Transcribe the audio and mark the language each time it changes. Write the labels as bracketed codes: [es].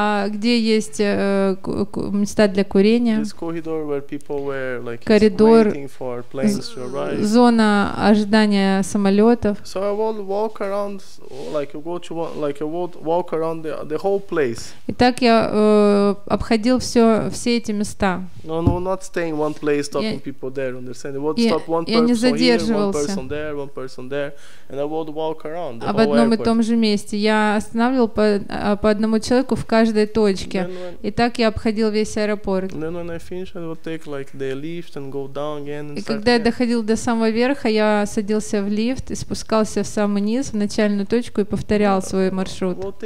[ru] где есть места для курения, [en] corridor where people were, like, [ru] коридор, [en] waiting for planes to arrive. [ru] Зона ожидания самолетов. [en] So I would walk around, like, I would walk around the whole place. [ru] И так я обходил все эти места. [en] No, not staying one place, stopping people there, understand? I would stop one person here, one person there, and I would walk around the [ru] об одном и том же месте. Я останавливал по одному человеку в каждой точке. И так я обходил весь аэропорт. И когда я доходил до самого верха, я садился в лифт и спускался в самый низ, в начальную точку, и повторял свой маршрут.